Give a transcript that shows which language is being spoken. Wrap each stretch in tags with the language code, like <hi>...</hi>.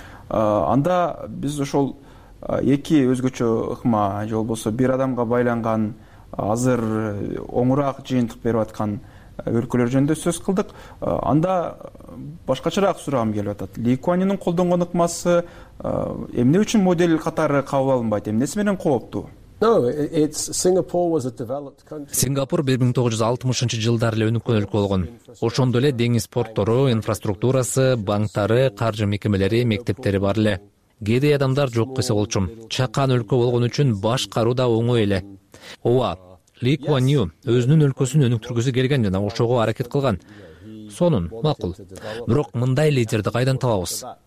<ky>Анда биз ошол эки өзгөчө ыкма, же болбосо бир адамга байланган, азыр оңураак жыйынтык берип аткан өлкөлөр жөнүндө сөз кылдык. Анда башкачараак сурагым келип атат. Ли Куан Юнун колдонгон ыкмасы эмне үчүн модель катары кабыл алынбайт? Эмнеси менен кооптуу?</ky> <en>No, it's Singapore was a developed country.</en> <ky>Сингапур 1960-жылдары эле өнүккөн өлкө болгон. Ошондо эле деңиз порттору, инфраструктурасы, банктары, каржы мекемелери, мектептери бар эле. Кедей адамдар жок кылса болчу. Чакан өлкө болгон үчүн башкаруу да оңой эле. Ооба, Ли Куан Ю өзүнүн өлкөсүн өнүктүргүсү келген жана ошого аракет кылган. Сонун, макул. Бирок мындай лидерди кайдан табабыз?</ky>